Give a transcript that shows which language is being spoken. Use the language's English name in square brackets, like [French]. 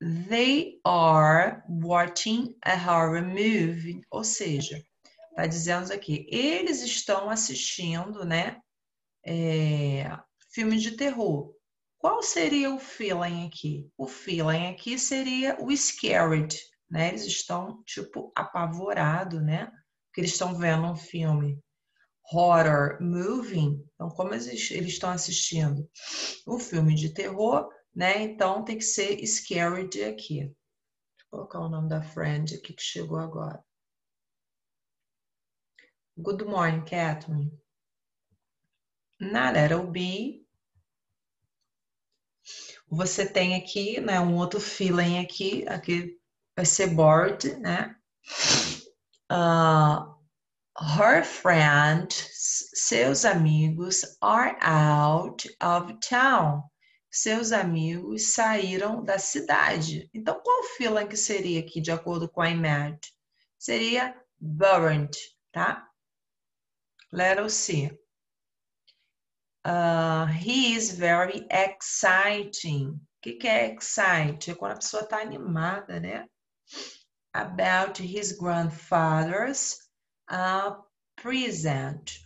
[English] They are watching a horror movie. [Portuguese] Ou seja, tá dizendo aqui, eles estão assistindo, né? Filme de terror. Qual seria o feeling aqui? O feeling aqui seria o scared, né? Eles estão, tipo, apavorado, né? Porque eles estão vendo um filme horror movie. Então, como eles estão assistindo um filme de terror, né? Então, tem que ser scared aqui. Vou colocar o nome da friend aqui que chegou agora. [English] Good morning, Catherine. [Portuguese] Na letter B, você tem aqui, né, um outro feeling aqui. Aqui vai ser bored, né? [English] Her friend, [Portuguese] seus amigos, [English] are out of town. [Portuguese] Seus amigos saíram da cidade. Então, qual feeling que seria aqui, de acordo com a imagem? Seria burnt, tá? Letter C. [English] He is very exciting. [Portuguese] O que é exciting? É quando a pessoa está animada, né? [English] About his grandfather's present.